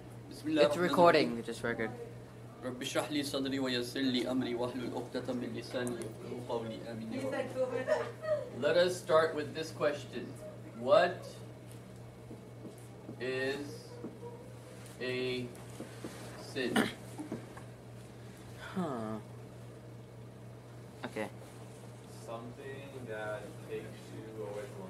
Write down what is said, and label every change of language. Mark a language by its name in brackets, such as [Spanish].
[English] It's recording, this record. [Arabic] رب اشرح لي صدري ويسر لي امري واحلل عقدة من لساني يفقهوا قولي امين. [English] Let us start with this question. What is a sin? Okay. Something that takes you away from